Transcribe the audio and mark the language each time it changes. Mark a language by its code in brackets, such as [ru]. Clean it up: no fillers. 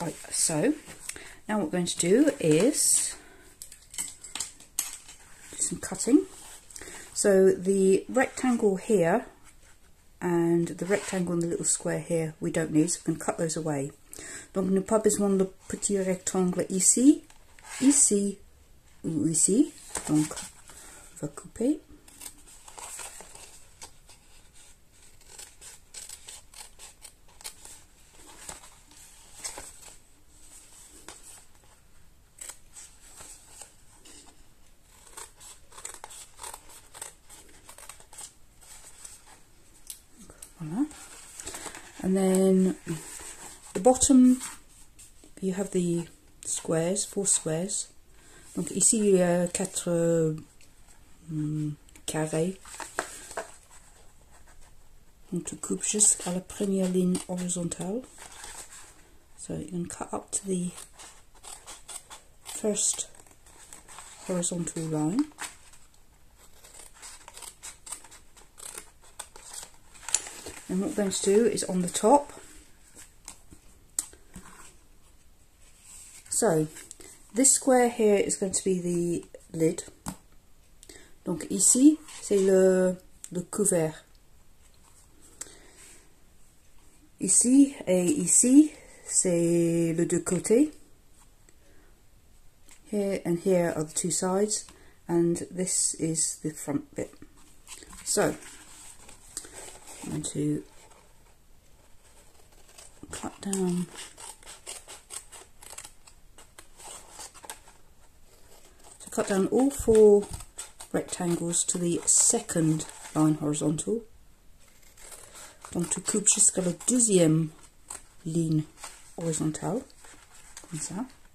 [en] So, now what we're going to do is do some cutting. So, the rectangle here and the rectangle and the little square here we don't need, so we can cut those away. [fr] Donc, nous pas besoin de petit rectangle ici, ici ou ici. Donc, on va couper. [en] And then the bottom, you have the squares, four squares. [fr] Donc ici, il y a quatre carrés. Donc tu coupes juste à la première ligne horizontale. [en] So you can cut up to the first horizontal line. And what we're going to do is on the top. So this square here is going to be the lid. [fr] Donc ici, c'est le couvert. Ici et ici, c'est le deux côtés. [en] Here and here are the two sides, and this is the front bit. So, I'm going to cut down all four rectangles to the second line horizontal. [fr] Donc tu coupes jusqu'à la deuxième ligne horizontale, comme ça.